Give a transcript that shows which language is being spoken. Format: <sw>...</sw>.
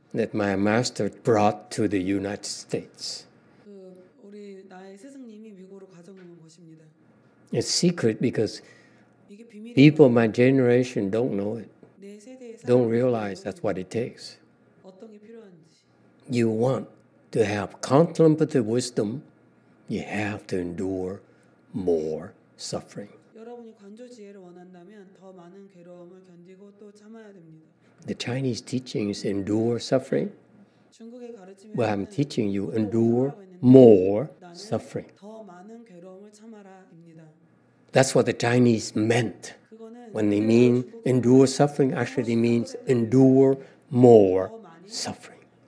<en>That my master brought to the United States.</en> <ko>그 우리 나의 스승님이 미국으로 가져온 것입니다.</ko> <en>It's secret because people my generation don't know it.</en> <ko>내 세대에서</ko> <en>don't realize that's what it takes.</en> <ko>어떤 게 필요한지.</ko> <en>You want to have contemplative wisdom. You have to endure more suffering.</en> <ko>여러분이 관조 지혜를 원한다면 더 많은 괴로움을 견디고 또 참아야 됩니다.</ko> <en>The Chinese teachings endure suffering.</en> <ko>중국의 가르침에</ko> <en>Well, I'm teaching you endure more suffering.</en> <ko>더 많은 괴로움을 참아라입니다.</ko> <en>That's what the Chinese meant. When they mean endure suffering, actually it means endure more suffering.</en>